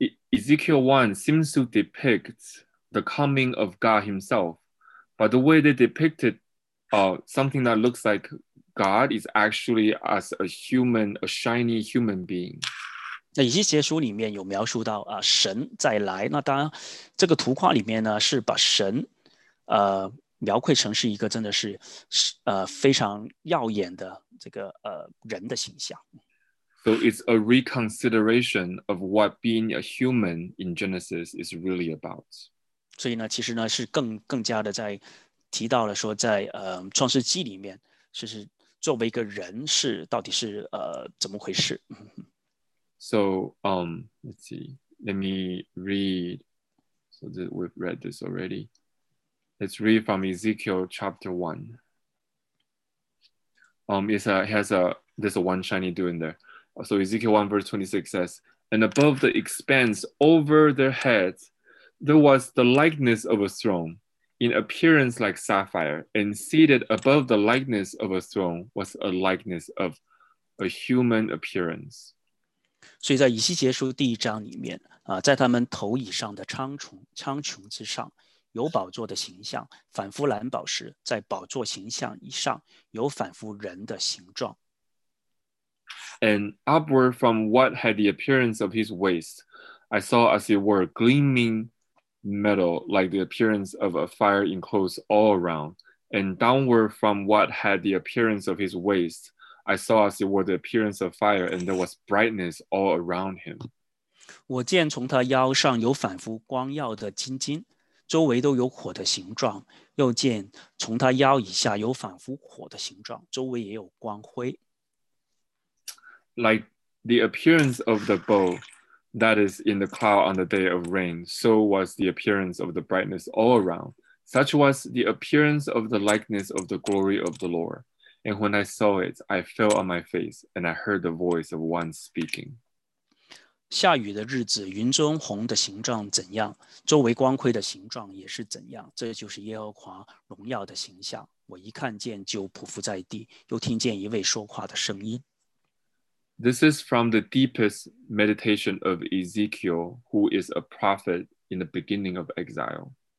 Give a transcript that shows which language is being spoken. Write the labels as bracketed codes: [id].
[en] Ezekiel 1 seems to depict the coming of God himself, but the way they depicted something that looks like God is actually as a human, a shiny human being. [zh] 那以西结书里面有描述到神再来，那当然这个图画里面呢是把神描绘成是一个真的是非常耀眼的这个人的形象。 [en] So it's a reconsideration of what being a human in Genesis is really about. [zh] 所以呢，其实呢是更加的在提到了说在创世纪里面，就是作为一个人是到底是怎么回事。 [en] So let's see. Let me read. So we've read this already. Let's read from Ezekiel chapter 1. There's a one shiny dude in there. So Ezekiel 1 verse 26 says, And above the expanse over their heads, there was the likeness of a throne, in appearance like sapphire, and seated above the likeness of a throne was a likeness of a human appearance. [zh] 所以在以西结书第一章里面，在他们头以上的苍穹之上，有宝座的形象，仿佛蓝宝石，在宝座形象以上，有仿佛人的形状。 [en] And upward from what had the appearance of his waist, I saw as it were gleaming metal, like the appearance of a fire enclosed all around. And downward from what had the appearance of his waist, I saw as it were the appearance of fire, and there was brightness all around him. [zh] 我见从他腰上有仿佛光耀的金金，周围都有火的形状，又见从他腰以下有仿佛火的形状，周围也有光辉。 [en] Like the appearance of the bow that is in the cloud on the day of rain, so was the appearance of the brightness all around. Such was the appearance of the likeness of the glory of the Lord. And when I saw it, I fell on my face, and I heard the voice of one speaking. [zh] 下雨的日子，云中虹的形状怎样，周围光辉的形状也是怎样。这就是耶和华荣耀的形象。我一看见就匍匐在地，又听见一位说话的声音。 [en] This is from the deepest meditation of Ezekiel, who is a prophet in the beginning of exile.